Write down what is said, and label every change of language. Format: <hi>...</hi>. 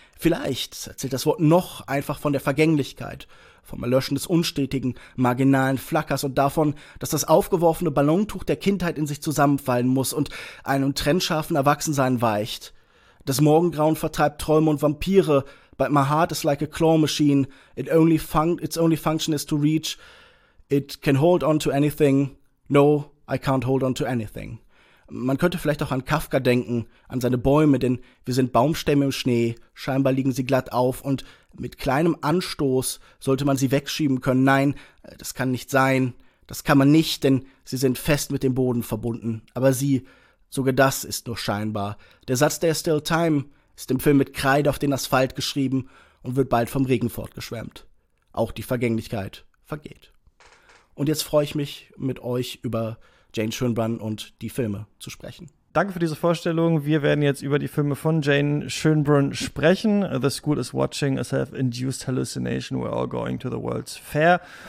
<de>Vielleicht erzählt das Wort noch einfach von der Vergänglichkeit, vom Erlöschen des unstetigen, marginalen Flackers und davon, dass das aufgeworfene Ballontuch der Kindheit in sich zusammenfallen muss und einem trennscharfen Erwachsensein weicht. Das Morgengrauen vertreibt Träume und Vampire,</de> <en>but my heart is like a claw machine. Its only function is to reach. It can hold on to anything. No, I can't hold on to anything.</en> <de>Man könnte vielleicht auch an Kafka denken, an seine Bäume, denn wir sind Baumstämme im Schnee, scheinbar liegen sie glatt auf und mit kleinem Anstoß sollte man sie wegschieben können. Nein, das kann nicht sein. Das kann man nicht, denn sie sind fest mit dem Boden verbunden. Aber sie, sogar das ist nur scheinbar. Der Satz,</de> <en>there's still time,</en> <de>ist im Film mit Kreide auf den Asphalt geschrieben und wird bald vom Regen fortgeschwemmt. Auch die Vergänglichkeit vergeht. Und jetzt freue ich mich, mit euch über Jane Schönbrunn und die Filme zu sprechen. Danke für diese Vorstellung. Wir werden jetzt über die Filme von Jane Schönbrunn sprechen.</de> <en>The School is Watching, A Self-Induced Hallucination, We're All Going to the World's Fair.</en>